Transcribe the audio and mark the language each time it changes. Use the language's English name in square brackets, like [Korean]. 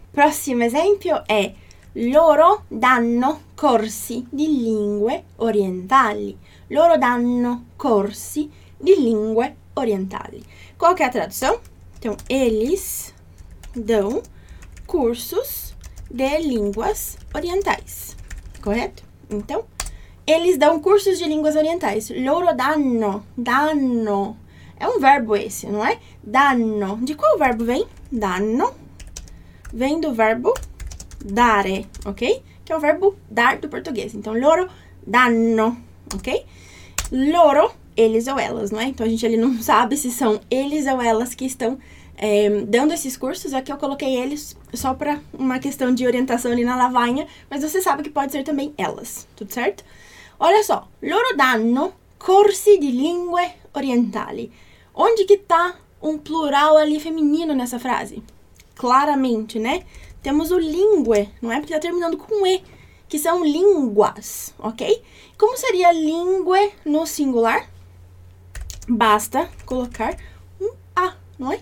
[Portuguese] Próximo exemplo é: [Italian] loro danno corsi di lingue orientali. Loro danno corsi di lingue orientali. [Portuguese] Qual que é a tradução? Então, eles dão cursos de línguas orientais, correto? Então, eles dão cursos de línguas orientais. Loro danno, danno. É um verbo esse, não é? Danno. De qual verbo vem? Danno. vem do verbo dare, ok? Que é o verbo dar do português. Então, loro danno, ok? Loro, eles ou elas, não é? Então, a gente ali não sabe se são eles ou elas que estão dando esses cursos. Aqui eu coloquei eles só para uma questão de orientação ali na lavanha, mas você sabe que pode ser também elas, tudo certo? Olha só, [Italian] loro danno corsi di lingue orientali. [Portuguese] Onde que tá um plural ali feminino nessa frase? Claramente, né? Temos o lingue, não é? Porque tá terminando com E, que são línguas, ok? Como seria lingue no singular? Basta colocar um A, não é?